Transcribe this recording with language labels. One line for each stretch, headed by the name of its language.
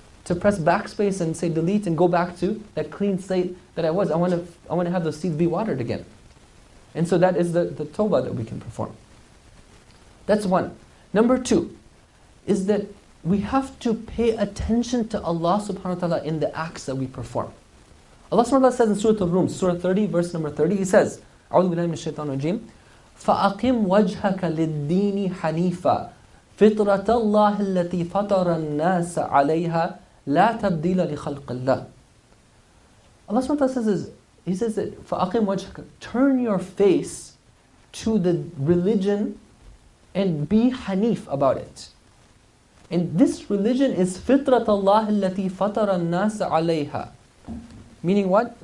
English: To press backspace and say delete and go back to that clean slate that I was. I want to have those seeds be watered again. And so that is the tawbah that we can perform. That's one. Number two is that we have to pay attention to Allah subhanahu wa ta'ala in the acts that we perform. Allah subhanahu wa ta'ala says in Surah Al-Rum, Surah 30, verse number 30, He says,
Arabic: أَعُوذُ بِاللَّهِ مِنَ الشَّيْطَانِ الرَّجِيمِ فَأَقِمْ وَجْهَكَ لِلدِّينِ حَنِيفًا فِطْرَةَ اللَّهِ الَّتِي فَطَرَ النَّاسَ عَلَيْهَا لَا تَبْدِيلَ لِخَلْقِ اللَّهِ.
English: Allah subhanahu wa ta'ala says, He says that,
Arabic: فَأَقِمْ وَجْهَكَ,
English: turn your face to the religion and be hanif about it. And this religion is
Arabic: fitrat Allah allati fatara an-nasa alayha.
English: Meaning what?